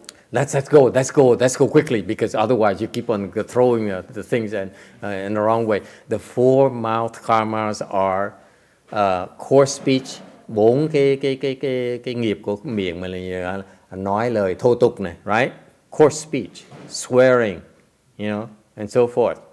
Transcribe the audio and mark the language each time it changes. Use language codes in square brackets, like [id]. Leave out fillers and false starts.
[en] Let's go quickly, because otherwise you keep on throwing the things in the wrong way. The four mouth karmas are coarse speech. [vi] Bốn cái nghiệp của miệng mà là nói lời thô tục này, right? [en] Coarse speech, swearing, you know, and so forth.